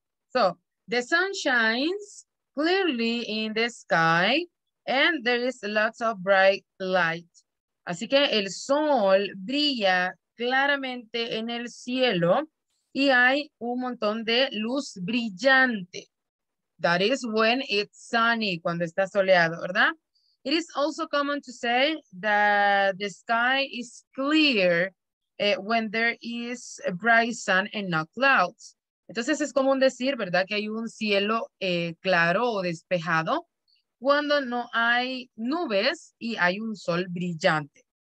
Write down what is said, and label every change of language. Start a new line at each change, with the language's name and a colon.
English: So, the sun shines clearly in the sky and there is lots of bright light.
Spanish: Así que el sol brilla claramente en el cielo y hay un montón de luz brillante.
English: That is when it's sunny,
Spanish: cuando está soleado, ¿verdad?
English: It is also common to say that the sky is clear when there is a bright sun and no clouds.
Spanish: Entonces es común decir, ¿verdad?, que hay un cielo claro o despejado cuando no hay nubes y hay un sol brillante.